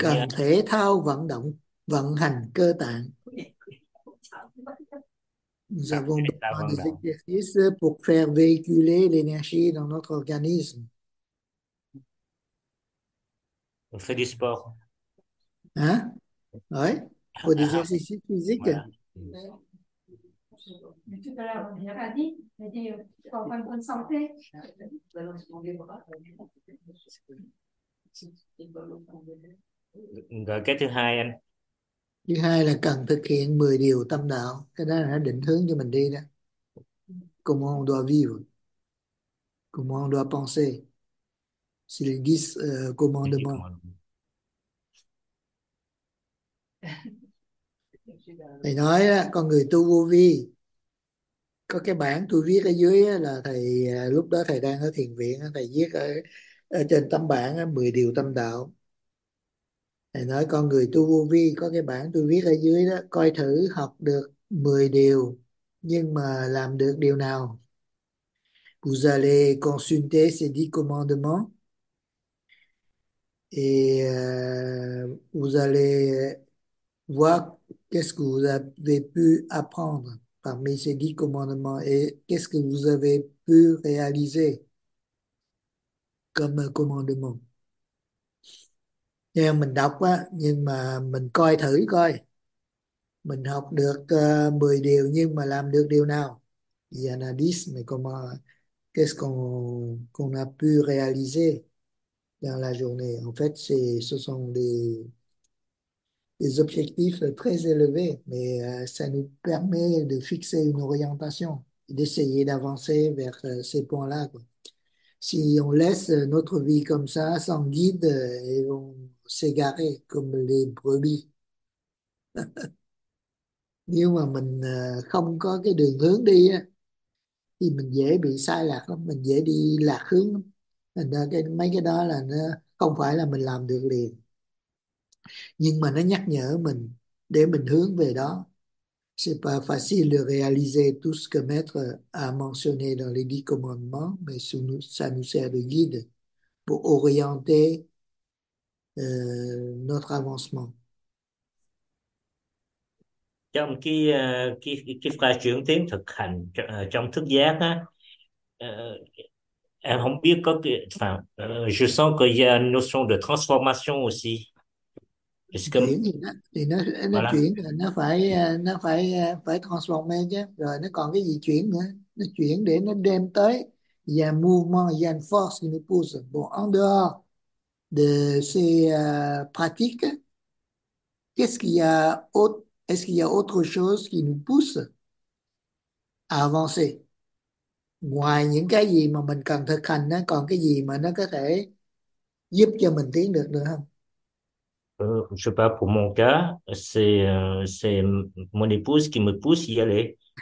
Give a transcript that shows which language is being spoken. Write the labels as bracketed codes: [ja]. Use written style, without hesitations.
[vi] Cần thể thao vận động, vận hành cơ tạng. là [fr] Nous avons [vi] vận [fr] besoin des [vi] động. [fr] exercices pour faire véhiculer l'énergie dans notre organisme. On fait du sport. Hein? Ouais, pour des exercices physiques. Voilà. Mais tout à l'heure, on a dit, tu es en bonne santé. [vi] Rồi cái thứ hai anh. Thứ hai là cần thực hiện 10 điều tâm đạo. Cái đó là định hướng cho mình đi đó. [fr] Comment on doit vivre? Comment on doit penser? C'est les 10 commandements. [vi] Thầy nói con người tu vô vi, có cái bản tôi viết ở dưới là thầy lúc đó thầy đang ở thiền viện, thầy viết ở trên tấm bảng 10 điều tâm đạo. Thầy nói con người tu vô vi có cái bản tôi viết ở dưới đó, coi thử học được 10 điều nhưng mà làm được điều nào. [fr] Vous allez consulter ces 10 commandements et vous allez voir qu'est-ce que vous avez pu apprendre parmi ces 10 commandements et qu'est-ce que vous avez pu réaliser comme commandement. [vi] Nghe mình đọc á, nhưng mà mình coi thử coi. Mình học được 10 điều nhưng mà làm được điều nào? [fr] Il y en a 10, mais comment, qu'on a pu réaliser dans la journée? En fait, ce sont des objectifs très élevés, mais ça nous permet de fixer une orientation, d'essayer d'avancer vers ces points-là, quoi. Si on laisse notre vie comme ça, sans guide, et on s'égarer comme les brebis. [vi] Nếu mà mình không có cái đường hướng đi á, thì mình dễ bị sai lạc lắm, mình dễ đi lạc hướng lắm. Thành ra mấy cái đó là nó không phải là mình làm được liền, nhưng mà nó nhắc nhở mình để mình hướng về đó. [fr] C'est pas facile de réaliser tout ce que Maître a mentionné dans les 10 commandements, mais ça nous sert de guide pour orienter notre avancement. [vi] Trong cái pha chuyển tiến thực hành trong thức giác á, em không biết có cái [fr] je sens qu'il y a une notion de transformation aussi. Est-ce que [vi] Chuyển gì đó thì nó [fr] voilà. [vi] chuyển, nó phải transformer chứ, rồi nó còn cái gì chuyển nữa, nó chuyển để nó đem tới và movement và [fr] force qui nous pousse. Bon, en dehors de ces pratiques, est-ce qu'il y a autre chose qui nous pousse à avancer? [vi] Ngoài những cái gì mà mình cần thực hành, nó còn cái gì mà nó có thể giúp cho mình tiến được nữa không? [fr] Je sais pas, pour mon cas, c'est mon épouse qui me pousse à y aller.